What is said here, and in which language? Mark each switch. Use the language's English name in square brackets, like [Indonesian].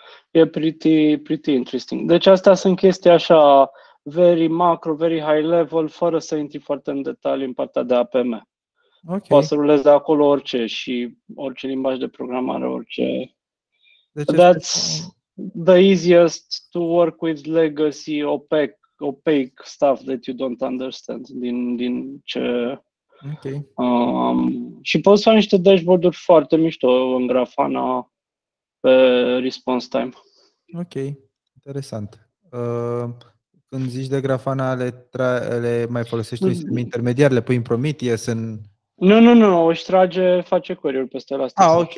[Romanian] E [English] pretty interesting. [Romanian] Deci astea sunt chestii așa [English] very macro, very high level, [Romanian] fără să intri foarte în detalii în partea de APM. Okay. Poți să rulezi de acolo orice și orice limbaj de programare, orice. Deci [English] that's the easiest to work with legacy, opaque stuff that you don't understand [Romanian] din ce. Okay. Și poți să faci niște dashboard-uri foarte mișto în Grafana pe response time. Ok, interesant. Când zici de Grafana, le mai folosești în intermediar, le pui în Prometheus, în... Nu, își trage, face query-uri peste Elasticsearch.